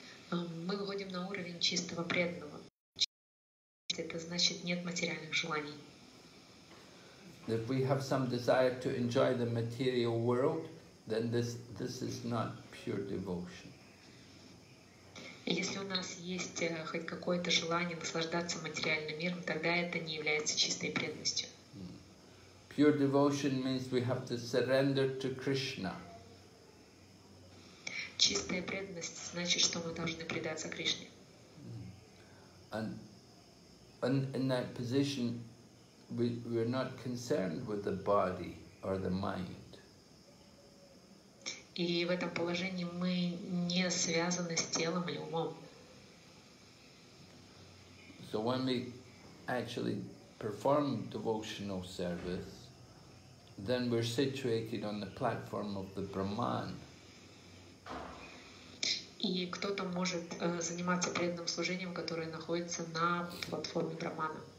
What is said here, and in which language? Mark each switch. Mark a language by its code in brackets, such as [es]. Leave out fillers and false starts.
[ru] Мы выходим на уровень чистого преданного. Это значит, нет материальных желаний. [en] If we have some desire to enjoy the material world, then this is not pure devotion. [ru] Если у нас есть хоть какое-то желание наслаждаться материальным миром, тогда это не является чистой преданностью. [en] Pure devotion means we have to surrender to Krishna. [ru] Чистая преданность значит, что мы должны предаться Кришне. [en] And in that position, we're not concerned with the body or the mind. [ru] И в этом положении мы не связаны с телом или умом. [en] So when we actually perform devotional service, then we're situated on the platform of the Brahman. [ru] И кто-то может заниматься преданным служением, которое находится на платформе Брахмана.